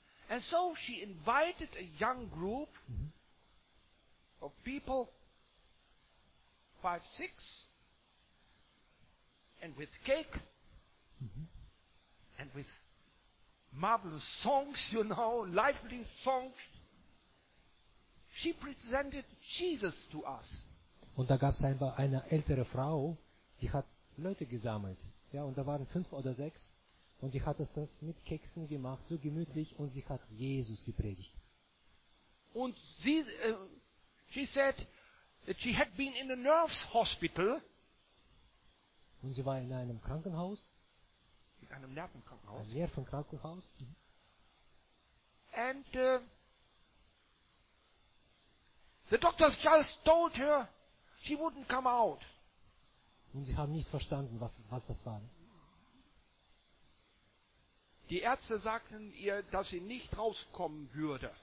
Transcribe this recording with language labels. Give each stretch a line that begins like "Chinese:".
English: And so she invited a young group of people, 5, 6, and with cake, and with marvelous songs, you know, lively songs. She presented Jesus to us.
German: Und da gab es einfach eine ältere Frau, die hat Leute gesammelt. Ja, und da waren 5 oder 6. Und die hat das mit Keksen gemacht, so gemütlich, und sie hat Jesus gepredigt. Und sie,
English: she said that she had been in a nerves hospital.
German: Und sie war in einem Krankenhaus. In einem Nervenkrankenhaus. Ein Nervenkrankenhaus.
English: And the doctors just told her she wouldn't come out.
German: Und sie haben nicht verstanden, was das war. Die Ärzte sagten ihr, dass sie nicht rauskommen würde.